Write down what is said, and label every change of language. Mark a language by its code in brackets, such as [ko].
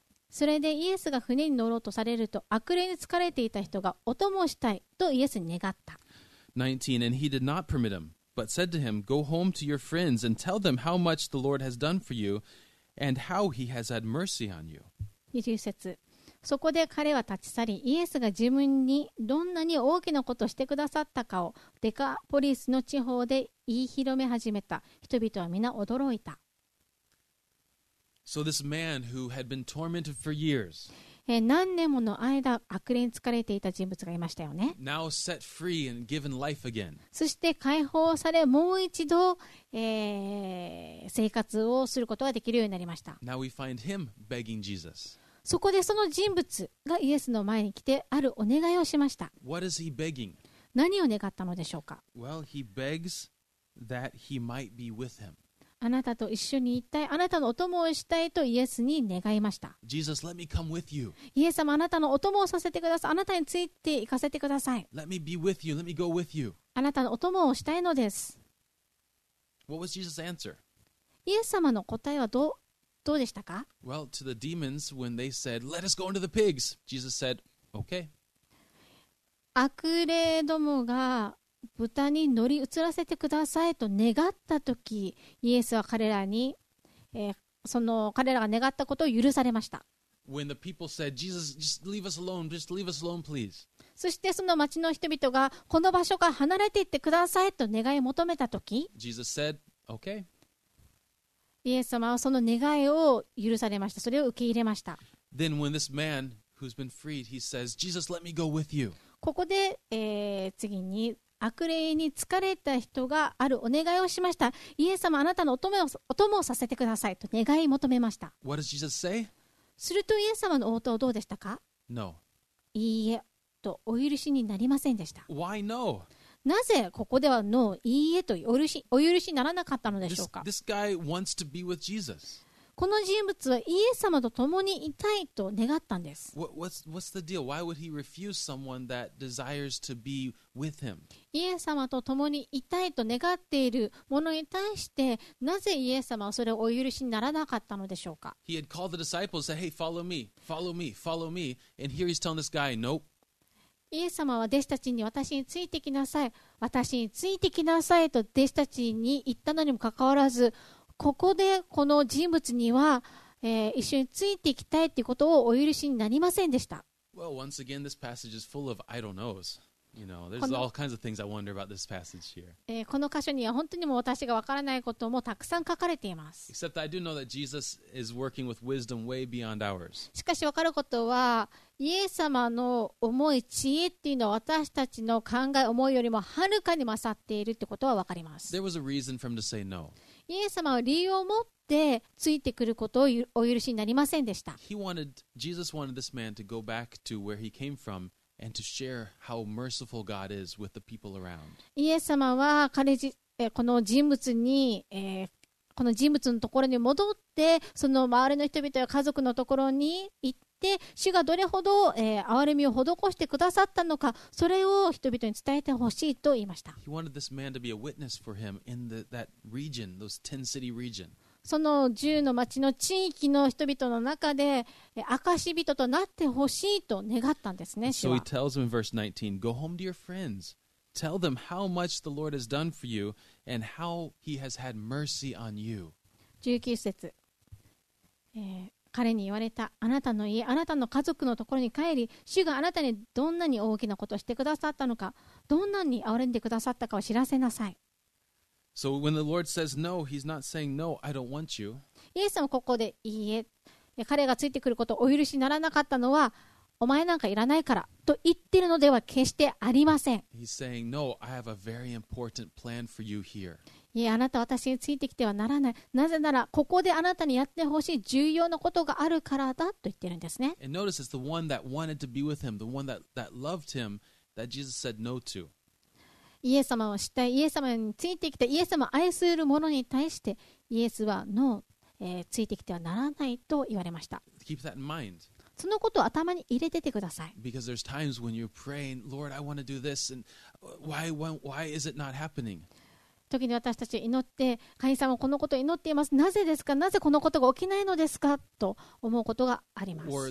[ja] それでイエスが船に乗ろうとされると、悪霊に疲れていた人がお供をしたいとイエスに願った。 [en] 19 And he did not permit him. But said to him, Go home to your friends and tell them how much the Lord has done for you and how he has had mercy on you. [ja] 20節。そこで彼は立ち去り、イエスが自分にどんなに大きなことをしてくださったかをデカポリスの地方で言い広め始めた。人々は皆驚いた。 [en] So this man who had been tormented for years, [ja] 何年もの間悪霊に疲れていた人物がいましたよね。 [en] Now set free and given life again. [ja] そして解放され、もう一度、生活をすることができるようになりました。 [en] Now we find him begging Jesus. [ja] そこでその人物がイエスの前に来て、あるお願いをしました。 [en] What is he begging? [ja] 何を願ったのでしょうか。 [en] Well, he begs that he might be with him. [ja] あなたと一緒にいたい、あなたのお供をしたいとイエスに願いました。 [en] Jesus, let me come with you. [ja] イエス様、あなたのお供をさせてください。あなたについて行かせてください。 [en] Let me be with you. Let me go with you. [ja] あなたのお供をしたいのです。 [en] What was Jesus' answer? [ja] イエス様の答えはどうでしたか? [en] Well, to the demons, when they said, let us go into the pigs, Jesus said, okay. [ja] 悪霊どもが豚に乗り移らせてくださいと願ったとき、イエスは彼らに、その彼らが願ったことを許されました。 [en] When the people said, Jesus, just leave us alone, just leave us alone, please. [ja] そしてその町の人々がこの場所から離れていってくださいと願いを求めたとき、 [en] Jesus said, okay. [ja] イエス様はその願いを許されました。それを受け入れました。 [en] Then when this man who's been freed, he says, Jesus, let me go with you. [ja] ここで、次に悪霊に疲れた人があるお願いをしました。イエス様、あなたのお供をさせてくださいと願い求めました。 [en] What does Jesus say? [ja] するとイエス様の応答はどうでしたか、 [en] no. [ja] いいえとお許しになりませんでした。 [en] Why no? [ja] なぜここでは [en] No、 [ja] いいえとお許しにならなかったのでしょうか。 [en] this guy wants to be with Jesus. [ja] この人物はイエス様と共にいたいと願ったんです。 [en] What's the deal? Why would he refuse someone that desires to be with him? [ja] イエス様と共にいたいと願っている者に対して、なぜイエス様はそれをお許しにならなかったのでしょうか。 [en] He had called the disciples, said, hey, follow me, follow me, follow me. And here he's telling this guy, nope. [ja] イエス様は弟子たちに私についてきなさい、私についてきなさいと弟子たちに言ったのにもかかわらず、ここでこの人物には、一緒についていきたいということをお許しになりませんでした。 [en] Well, once again, this passage is full of I don't knows. You know, there's all kinds of things I wonder about this passage here. [ja] この箇所には本当にも私がわからないこともたくさん書かれています。 [en] Except I do know that Jesus is working with wisdom way beyond ours. [ja] しかしわかることは、イエス様の思い知恵っていうのは私たちの考え思いよりもはるかに勝っているってことはわかります。 [en] There was a reason for him to say no. [ja] イエス様は理由を持ってついてくることをお許しになりませんでした。 [en] Jesus wanted this man to go back to where he came from and to share how merciful God is with the people around. [ja] イエス様は彼この人物に、この人物のところに戻ってその周りの人々や家族のところに行ってで主がどれほど、憐れみを施してくださったのか、それを人々に伝えてほしいと言いました。 [en] He wanted this man to be a witness for him in the, that region, those ten city region. [ja] その10の町の地域の人々の中で、証人となってほしいと願ったんですね。 [en] So he tells him in verse 19, Go home to your friends. Tell them how much the Lord has done for you and how he has had mercy on you. [ja] 19節、彼に言われた、あなたの家、あなたの家族のところに帰り、主があなたにどんなに大きなことをしてくださったのか、どんなに憐れんでくださったかを知らせなさい。 [en] So when the Lord says no, he's not saying no, I don't want you. [ja] イエスもここでいいえ、彼がついてくることをお許しにならなかったのは、お前なんかいらないからと言ってるのでは決してありません。 [en] He's saying no, I have a very important plan for you here. [ja] いや、あなたは私についてきてはならない。なぜなら、ここであなたにやってほしい重要なことがあるからだと言ってるんですね。 [en] And notice it's the one that wanted to be with him, the one that loved him, that Jesus said no to. [ja] イエス様を知った、イエス様についてきた、イエス様を愛する者に対して、イエスはノー、ついてきてはならないと言われました。 [en] Keep that in mind. [ja] そのことを頭に入れててください。 [en] Because there's times when you're praying, Lord, I want to do this, and why is it not happening? [ja] 時に私たちは祈って、神様はこのことを祈っています。なぜですか？なぜこのことが起きないのですか？と思うことがあります。